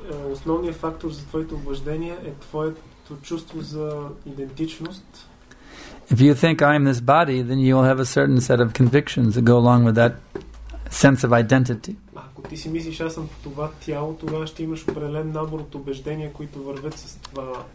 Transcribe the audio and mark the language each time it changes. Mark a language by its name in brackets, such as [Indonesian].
[Bulgarian] Основният фактор за твоето убеждение е твоето чувство за идентичност. [English] If you think I am this body, then you will have a certain set of convictions that go along with that sense of identity. [Bulgarian] Ако ти си мислиш, аз съм това тяло, тогава ще имаш определен набор от убеждения, които вървят с това